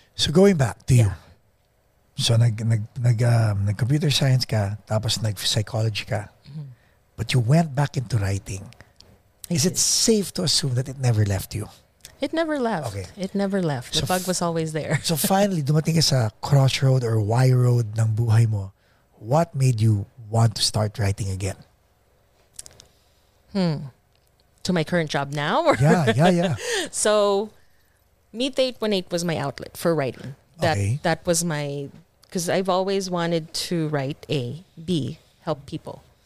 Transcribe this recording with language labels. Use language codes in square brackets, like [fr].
[en] going back to you, so [tl] nag computer science ka, tapos nag psychology ka, [en] but you went back into writing. Is it safe to assume that it never left you? It never left. Okay. It never left. The bug was always there. So finally, [tl] dumating ka sa crossroad or Y road ng buhay mo. [en] What made you want to start writing again? To my current job now? Yeah. So, Meet 818 was my outlet for writing. That was my, because I've always wanted to write A, B, help people.